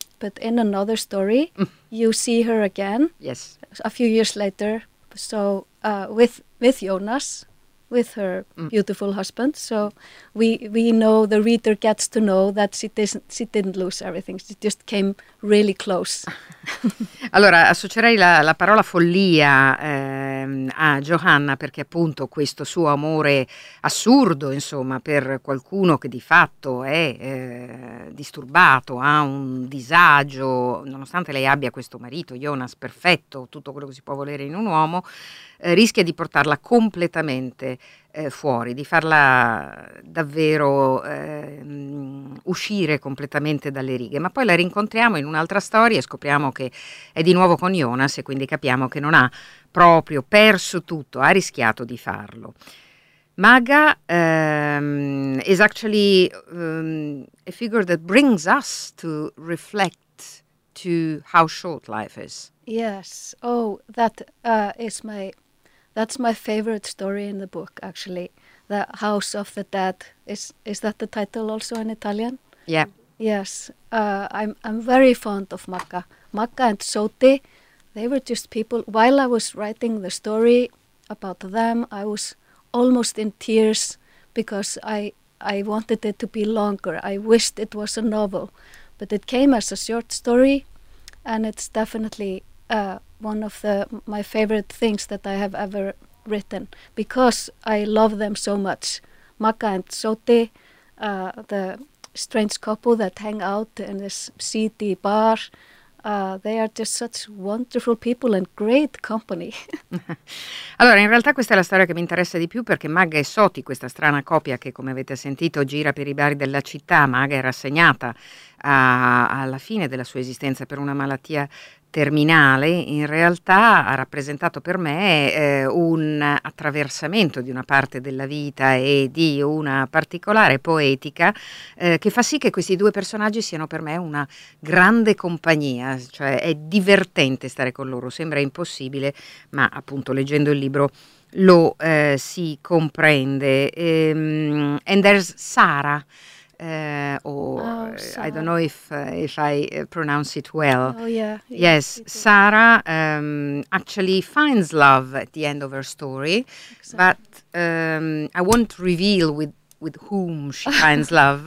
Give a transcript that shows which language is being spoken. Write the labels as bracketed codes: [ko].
[en] But in another story, you see her again. Yes. A few years later, so with Jonas, with her beautiful husband. So we know, the reader gets to know that she didn't lose everything. She just came really close. [it] Allora, associerei la parola follia a Johanna, perché appunto questo suo amore assurdo, insomma, per qualcuno che di fatto è disturbato, ha un disagio, nonostante lei abbia questo marito, Jonas, perfetto, tutto quello che si può volere in un uomo, rischia di portarla completamente fuori, di farla davvero uscire completamente dalle righe. Ma poi la rincontriamo in un'altra storia e scopriamo che è di nuovo con Jonas, e quindi capiamo che non ha proprio perso tutto, ha rischiato di farlo. [en] Maga is actually a figure that brings us to reflect to how short life is. Yes. Oh, that's my favorite story in the book, actually. The House of the Dead. Is that the title also in Italian? Yeah. Yes. I'm very fond of Magga. Magga and Soti, they were just people. While I was writing the story about them, I was almost in tears because I wanted it to be longer. I wished it was a novel. But it came as a short story, and it's definitely one of my favorite things that I have ever written, because I love them so much. Magga and Soti, the strange couple that hang out in this seedy bar, they are just such wonderful people and great company. [it] Allora, in realtà questa è la storia che mi interessa di più, perché Magga e Soti, questa strana coppia che, come avete sentito, gira per i bar della città. Magga è rassegnata alla fine della sua esistenza per una malattia terminale in realtà ha rappresentato per me un attraversamento di una parte della vita e di una particolare poetica che fa sì che questi due personaggi siano per me una grande compagnia, cioè è divertente stare con loro, sembra impossibile, ma appunto leggendo il libro lo si comprende. [en] And there's Sarah. I don't know if I pronounce it well. Oh yeah. Yes, Sarah actually finds love at the end of her story, exactly. But I won't reveal with whom she finds love.